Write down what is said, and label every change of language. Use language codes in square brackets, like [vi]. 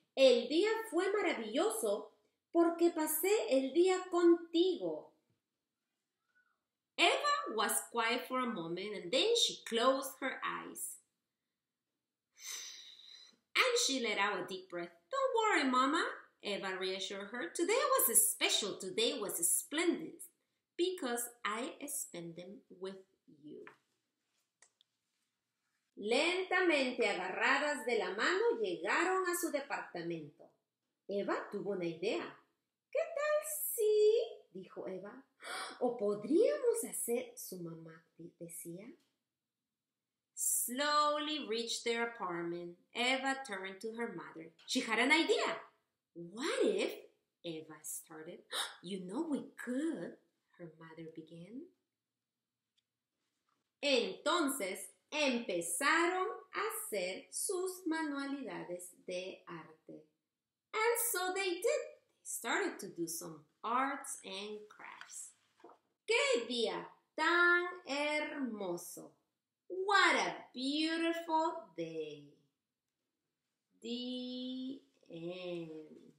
[es] El día fue maravilloso porque pasé el día contigo. [en] Eva was quiet for a moment and then she closed her eyes. And she let out a deep breath. Don't worry, Mama, Eva reassured her. Today was special. Today was splendid because I spent them with you. [es] Lentamente agarradas de la mano llegaron a su departamento. Eva tuvo una idea. ¿Qué tal si? Dijo Eva. ¿O podríamos hacer? Su mamá decía. [en] Slowly reached their apartment. Eva turned to her mother. She had an idea. What if? Eva started. You know we could. Her mother began. [es] Entonces empezaron a hacer sus manualidades de arte. [en] And so they did. They started to do some arts and crafts. [es] ¡Qué día tan hermoso! [en] What a beautiful day! The end.